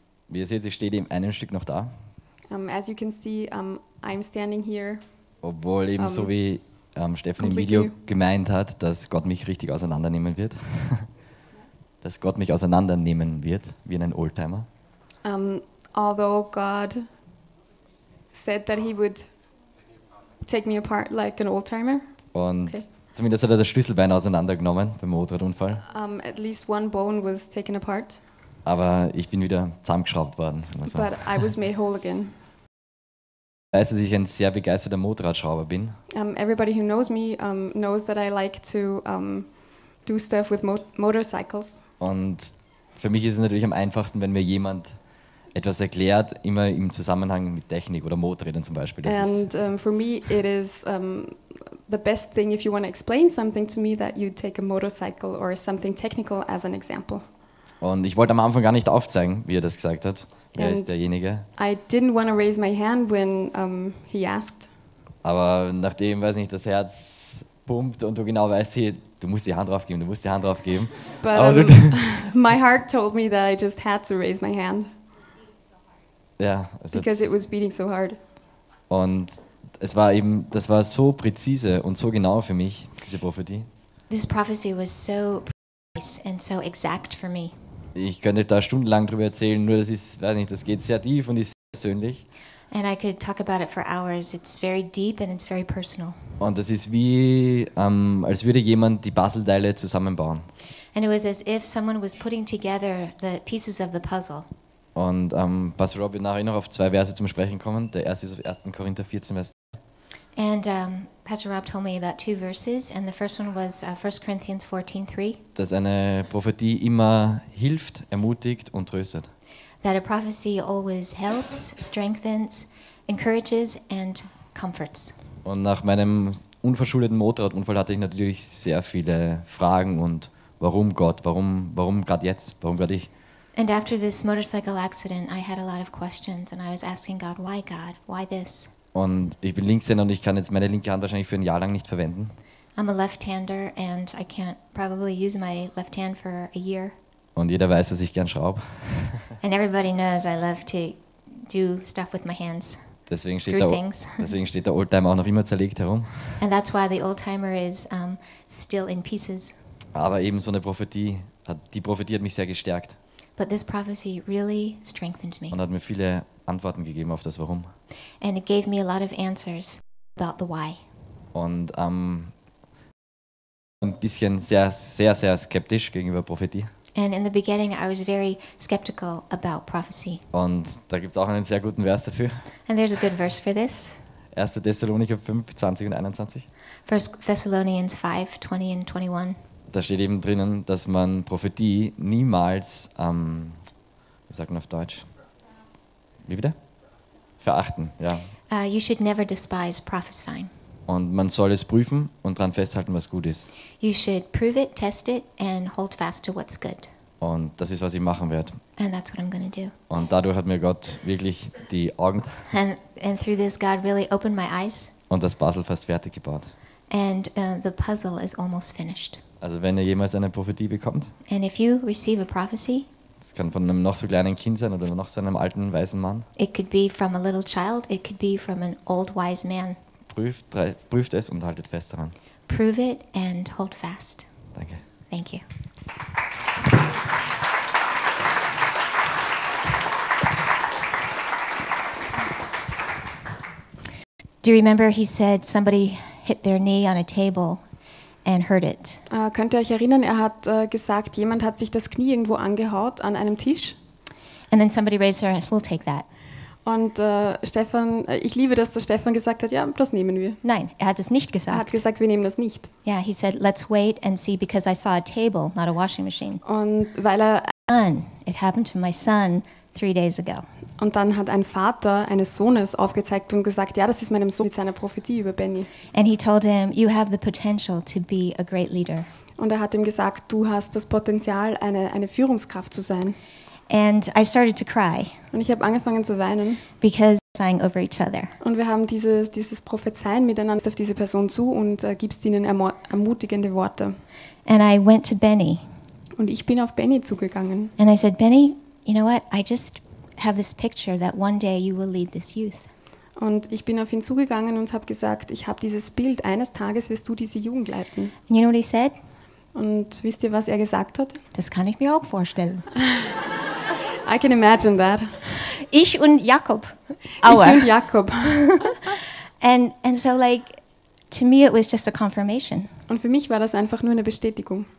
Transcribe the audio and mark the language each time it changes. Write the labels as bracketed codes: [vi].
[de] Wie ihr seht, ich stehe in einem Stück noch da. [en] As you can see, I'm standing here. [de] Obwohl eben so wie Stefan im Video gemeint hat, dass Gott mich richtig auseinandernehmen wird. Dass Gott mich auseinandernehmen wird, wie in einem Oldtimer. [en] Although God said that he would take me apart like an Oldtimer. [de] Und okay. Zumindest hat er das Schlüsselbein auseinandergenommen beim Motorradunfall. [en] At least one bone was taken apart. [de] Aber ich bin wieder zusammengeschraubt worden. [en] Also. But I was made whole again. [de] Ich weiß, dass ich ein sehr begeisterter Motorradschrauber bin. [en] Everybody who knows me knows that I like to do stuff with motorcycles. [de] Und für mich ist es natürlich am einfachsten, wenn mir jemand etwas erklärt, immer im Zusammenhang mit Technik oder Motorrädern zum Beispiel. [en] Das and for me it is the best thing if you want to explain something to me that you take a motorcycle or something technical as an example. [de] Und ich wollte am Anfang gar nicht aufzeigen, wie er das gesagt hat. Wer ist derjenige? [en] I didn't want to raise my hand when he asked. [de] Aber nachdem, weiß nicht, das Herz pumpt und du genau weißt, hey, du musst die Hand drauf geben. [en] But my heart told me that I just had to raise my hand. [de] Ja, [en] because it was beating so hard. [de] Und es war eben, das war so präzise und so genau für mich, diese Prophetie. [en] This prophecy was so precise and so exact for me. [de] Ich könnte da stundenlang drüber erzählen, nur das ist, weiß nicht, das geht sehr tief und ist sehr persönlich. [en] And I could talk about it for hours. It's very deep and it's very personal. [de] Und das ist wie als würde jemand die Puzzleteile zusammenbauen. [en] And it was as if someone was putting together the pieces of the puzzle. [de] Und Pastor Rob wird nachher noch auf zwei Verse zum Sprechen kommen. Der erste ist auf 1. Korinther 14, Vers 3. [en] And Pastor Rob told me about two verses, and the first one was 1 Corinthians 14, 3. [de] Dass eine Prophetie immer hilft, ermutigt und tröstet. [en] That a prophecy always helps, strengthens, encourages and comforts. [de] Und nach meinem unverschuldeten Motorradunfall hatte ich natürlich sehr viele Fragen und warum Gott, warum gerade jetzt, warum gerade ich? [en] And after this motorcycle accident, I had a lot of questions and I was asking God, why this? [de] Und ich bin Linkshänder und ich kann jetzt meine linke Hand wahrscheinlich für ein Jahr lang nicht verwenden. [en] I'm a left-hander and I can't probably use my left hand for a year. [de] Und jeder weiß, dass ich gern schraube. [en] And everybody knows I love to do stuff with my hands. [de] Deswegen steht der Oldtimer auch noch immer zerlegt herum. [en] And that's why the Oldtimer is still in pieces. [de] Aber eben so eine Prophetie, die Prophetie hat mich sehr gestärkt. [en] But this prophecy really strengthened me. [de] Und hat mir viele Antworten gegeben auf das Warum. [en] And it gave me a lot of answers about the why. [de] Und ein bisschen sehr, sehr, sehr skeptisch gegenüber Prophetie. [en] And in the beginning I was very skeptical about prophecy. [de] Und da gibt es auch einen sehr guten Vers dafür. [en] And there's a good verse for this. [de] 1. Thessalonicher 5, 20 und 21. [en] 1 Thessalonians 5, 20 and 21. [de] Da steht eben drinnen, dass man Prophetie niemals, wie sagt man auf Deutsch? Wie bitte? Verachten, ja. [en] You should never despise prophesying. [de] Und man soll es prüfen und dran festhalten, was gut ist. [en] You should prove it, test it and hold fast to what's good. [de] Und das ist, was ich machen werde. [en] And that's what I'm gonna do. [de] Und dadurch hat mir Gott wirklich die Augen [en] and through this God really opened my eyes. [de] Und das Puzzle fast fertig gebaut. [en] And the puzzle is almost finished. [de] Also wenn ihr jemals eine Prophetie bekommt, [en] and if you receive a prophecy, [de] das kann von einem noch so kleinen Kind sein oder noch so einem alten, weisen Mann, [en] it could be from a little child, it could be from an old, wise man. [de] Prüft es und haltet fest daran. [en] Prove it and hold fast. [de] Danke. [en] Thank you. Do you remember he said somebody hit their knee on a table? And hurt it. [de] Könnt ihr euch erinnern, er hat gesagt, jemand hat sich das Knie irgendwo angehaut an einem Tisch. [en] And then somebody raised their hand, we'll take that. [de] Und Stefan, ich liebe, dass der Stefan gesagt hat, ja, das nehmen wir. Nein, er hat es nicht gesagt. Er hat gesagt, wir nehmen das nicht. [en] Yeah, he said, let's wait and see because I saw a table, not a washing machine. [de] Und weil er [en] it happened to my son 3 days ago. [de] Und dann hat ein Vater eines Sohnes aufgezeigt und gesagt, ja, das ist meinem Sohn mit seiner Prophetie über Benny. [en] And he told him, you have the potential to be a great leader. [de] Und er hat ihm gesagt, du hast das Potenzial, eine Führungskraft zu sein. [en] And I started to cry. [de] Und ich habe angefangen zu weinen. [en] Because sighing over each other. [de] Und wir haben dieses Prophezeien miteinander auf diese Person zu und gibst ihnen ermutigende Worte. [en] And I went to Benny. [de] Und ich bin auf Benny zugegangen. [en] And I said, Benny, you know what? I just have this picture that one day you will lead this youth. [de] Und ich bin auf ihn zugegangen und habe gesagt, ich habe dieses Bild, eines Tages wirst du diese Jugend leiten. [en] And you know what he said? [de] Und wisst ihr, was er gesagt hat? Das kann ich mir auch vorstellen. [en] I can imagine that. [de] Ich und Jakob. Ich und Jakob. [en] And so like, to me it was just a confirmation. [de] Und für mich war das einfach nur eine Bestätigung.